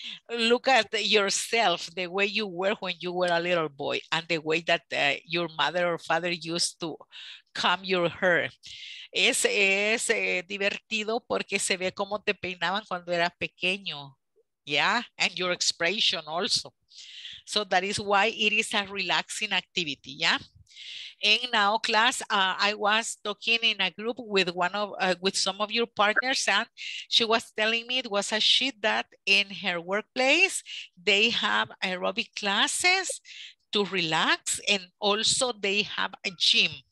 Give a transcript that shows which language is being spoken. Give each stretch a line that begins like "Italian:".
English: Look at yourself, the way you were when you were a little boy and the way that your mother or father used to comb your hair.
Spanish: Es divertido porque se ve cómo te peinaban cuando eras pequeño.
English: Yeah, and your expression also. So that is why it is a relaxing activity, yeah? And now, class, I was talking in a group with one of with some of your partners, and she was telling me it was a shit that in her workplace they have aerobic classes to relax, and also they have a gym.